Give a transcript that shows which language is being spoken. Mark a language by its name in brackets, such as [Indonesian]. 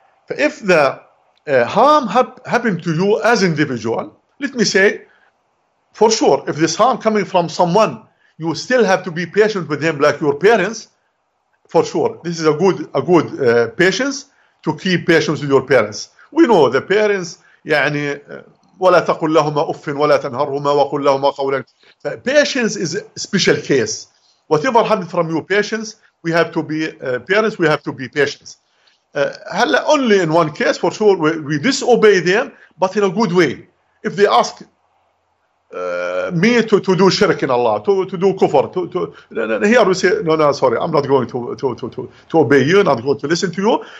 [English] If the harm happened to you as individual, let me say, for sure, if this harm coming from someone, you still have to be patient with him like your parents, for sure. This is a good patience, to keep patience with your parents. We know the parents, [Arabic] يعني ولا تقل لهما أف ولا تنهرهما وقل لهما قولا. [English] Patience is a special case. Whatever happened from you, patience, we have to be parents, we have to be patients. هلا only in one case, for sure, we disobey them, but in a good way. If they ask me to do shirk in Allah, to do kufr, here we say, no, sorry, I'm not going to obey you, not going to listen to you.